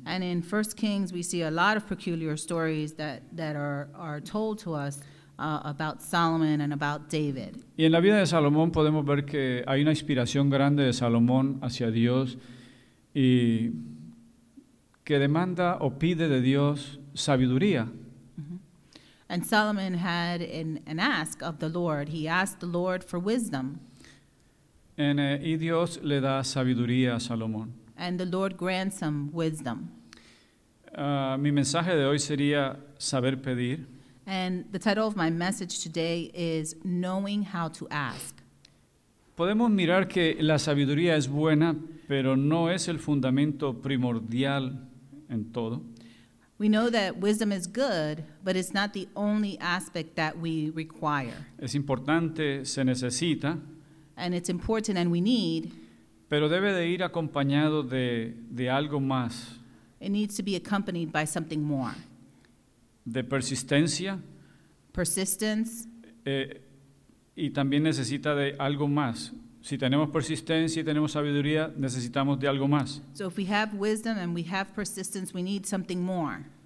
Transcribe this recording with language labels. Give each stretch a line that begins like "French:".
English: And in 1 Kings we see a lot of peculiar stories that are told to us about Solomon and about David.
Spanish: Y en la vida de Salomón podemos ver que hay una inspiración grande de Salomón hacia Dios y que demanda o pide de Dios sabiduría. Mm-hmm.
English: And Solomon had an ask of the Lord. He asked the Lord for wisdom.
Spanish: Y Dios le da sabiduría a Salomón.
English: And the Lord grants him wisdom.
Spanish: Mi mensaje de hoy sería saber pedir.
English: And the title of my message today is Knowing How to Ask.
Spanish: Podemos mirar que la sabiduría es buena, pero no es el fundamento primordial en todo.
English: We know that wisdom is good, but it's not the only aspect that we require.
Spanish: Es importante, se necesita.
English: And it's important and we need.
Spanish: Pero debe de ir acompañado de algo más.
English: It needs to be accompanied by something more.
Spanish: De persistencia.
English: Persistence.
Spanish: Y también necesita de algo más. Si tenemos persistencia y tenemos sabiduría, necesitamos de algo más.
English: So if we have wisdom and we have persistence, we need something more.